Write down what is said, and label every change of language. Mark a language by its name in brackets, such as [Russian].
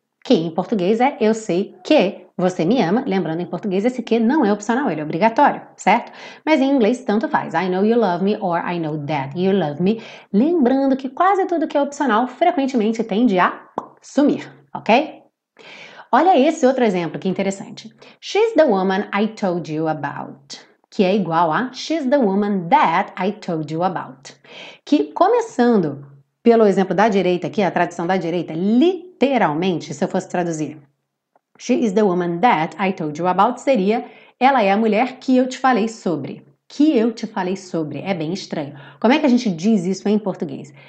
[Portuguese] Que em português é eu sei que você me ama, lembrando em português esse que não é opcional, ele é obrigatório, certo? Mas em inglês tanto faz, [English] I know you love me [Portuguese] or I know that you love me. Lembrando que quase tudo que é opcional frequentemente tende a sumir, ok? Olha esse outro exemplo que interessante. [English] She's the woman I told you about. [Portuguese] Que é igual a [English] she's the woman that I told you about. [Portuguese] Que começando pelo exemplo da direita aqui, a tradução da direita, literalmente, se eu fosse traduzir, [English] she is the woman that I told you about, [Portuguese] seria, ela é a mulher que eu te falei sobre. Que eu te falei sobre, é bem estranho. Como é que a gente diz isso em português?